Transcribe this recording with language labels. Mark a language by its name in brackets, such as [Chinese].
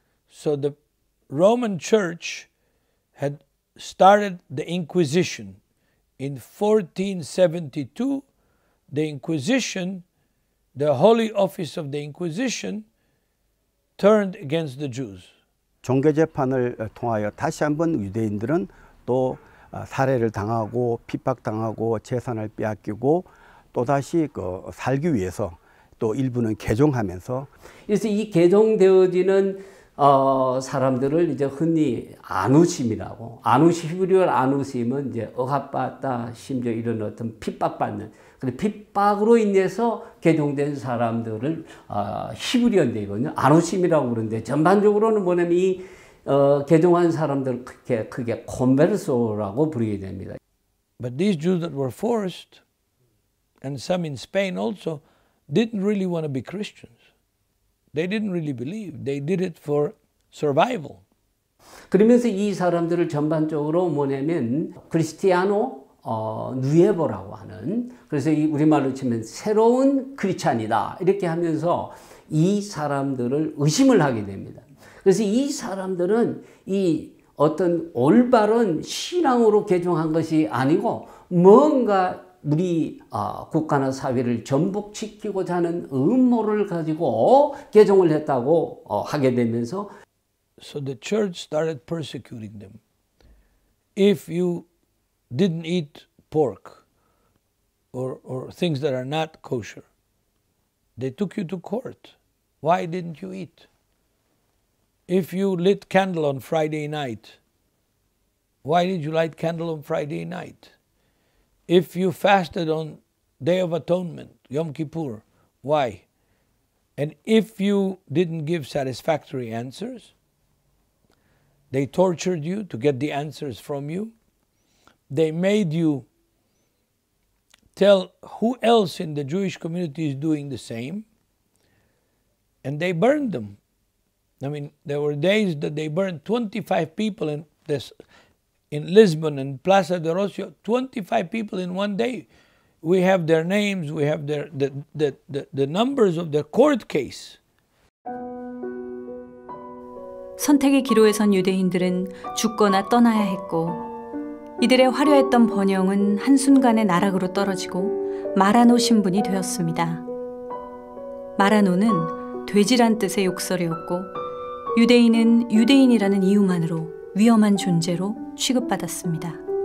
[English] So the Roman Church had started the Inquisition. In 1472, the Inquisition, the Holy Office of the Inquisition, turned against the Jews. [Korean] 종교 재판을 통하여 다시 한번 유대인들은 또 살해를 당하고 핍박당하고 재산을 빼앗기고 또 다시 그 살기 위해서 또 일부는 개종하면서. 그래서 이 개종되어지는 사람들을 이제 흔히 아누심이라고, 아누심, 히브리어 아누심은 이제 억압받다, 심지어 이런 어떤 핍박받는, 근데 핍박으로 인해서 개종된 사람들을 히브리어인데거든요. 아누심이라고 그러는데 전반적으로는 뭐냐면 이 개종한 사람들을 크게 콘베르소라고 부르게 됩니다. [English] But these Jews that were forced, and some in Spain also, didn't really want to be Christians. They didn't really believe. They did it for survival. [Korean] 그러면서 이 사람들을 전반적으로 뭐냐면 크리스티아노 누에보라고 하는, 그래서 이 우리말로 치면 새로운 크리스찬이다 이렇게 하면서 이 사람들을 의심을 하게 됩니다. 그래서 이 사람들은 이 어떤 올바른 신앙으로 개종한 것이 아니고 뭔가 우리 국가나 사회를 전복시키고자 하는 음모를 가지고 개종을 했다고 하게 되면서. [English] So the church started persecuting them. If you didn't eat pork or things that are not kosher, they took you to court. Why didn't you eat? If you lit candle on Friday night, why did you light candle on Friday night? If you fasted on Day of Atonement, Yom Kippur, why? And if you didn't give satisfactory answers, they tortured you to get the answers from you. They made you tell who else in the Jewish community is doing the same. And they burned them. I mean, there were days that they burned 25 people in this. In Lisbon and Plaza de Rocio, 25 people in one day. We have their names, we have their the numbers of their court case. [Korean] 선택의 기로에 선 유대인들은 죽거나 떠나야 했고 이들의 화려했던 번영은 한순간에 나락으로 떨어지고 마라노 신분이 되었습니다. 마라노는 돼지란 뜻의 욕설이었고 유대인은 유대인이라는 이유만으로 위험한 존재로 취급받았습니다.